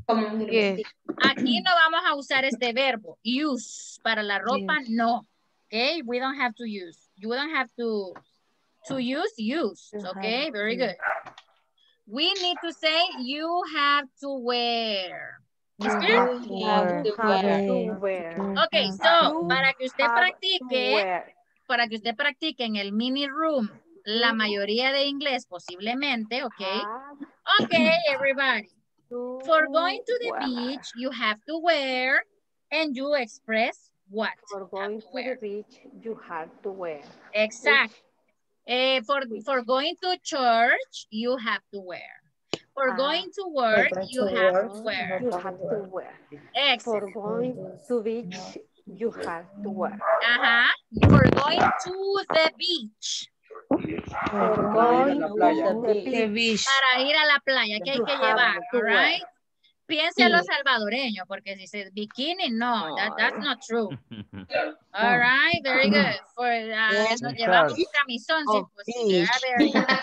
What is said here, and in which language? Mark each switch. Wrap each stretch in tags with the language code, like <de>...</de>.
<es>Aquí no vamos a usar este verbo. Use. Para la ropa, no.</es> <en>Okay. We don't have to use. You don't have to use. Use. Okay. Very good. We need to say you have to wear.</en> <es>¿Es clear?</es> <en>You have to wear. Okay.</en> <es>So, para que usted practique en el mini room. La mayoría de inglés, posiblemente, okay?</es> <en>Okay, everybody. For going to the beach, you have to wear, and you express what? For going to the beach, you have to wear. Exactly. For going to church, you have to wear. For going to work, you have to wear. You have to wear. Exactly. For going to the beach, you have to wear. Uh-huh. For going to the beach.</en> <es>Para ir a la playa, ¿qué hay que llevar? Right? Piense a los salvadoreños, porque si dice bikini, no,</es> <en>that's not true. All right, very good.</en> <es>For, nos llevamos un camisón, si es posible.</es>